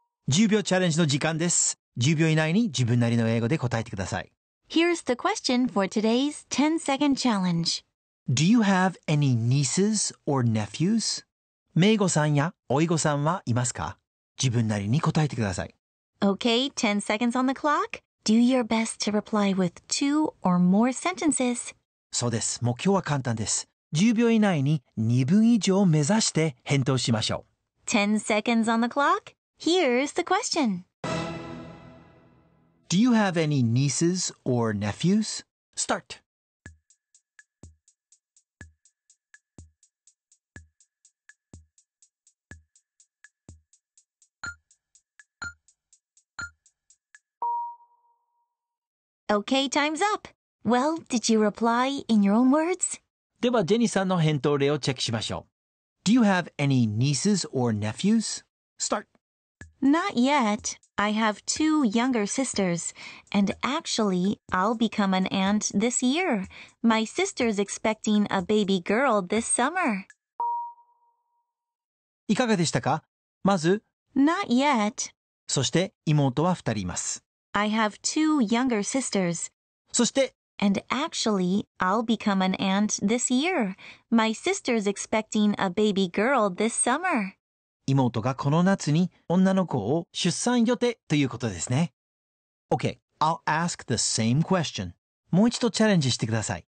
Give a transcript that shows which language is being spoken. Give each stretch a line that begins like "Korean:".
Japanese: 10秒チャレンジの時間です。10秒以内に自分なりの英語で答えてください。
English: Here's the question for today's 10-second challenge. Do you have any nieces or nephews?
Japanese: めいごさんやおいごさんはいますか?自分なりに答えてください。
English: Okay, 10 seconds on the clock. Do your best to reply with two or more sentences.
Japanese: そうです。目標は簡単です。 10秒以内に2分以上を目指して返答しましょう。
English: 10 seconds on the clock. Here's the question. Do you have any nieces or nephews? Start. Okay, time's up. Well, did you reply in your own words?
Japanese: では、ジェニーさんの返答例をチェックしましょう。
English: Do you have any nieces or nephews? Start. Not yet. I have two younger sisters. And actually, I'll become an aunt this year. My sister's expecting a baby girl this summer.
Japanese: いかがでしたか?まず、
English: Not yet.
Japanese: そして、妹は二人います。
English: I have two younger sisters.
Japanese: そして
English: And actually, I'll become an aunt this year. My sister's expecting a baby girl this summer.
Japanese: 妹がこの夏に女の子を出産予定ということですね。
English: Okay, I'll ask the same question.
Japanese: もう一度チャレンジしてください。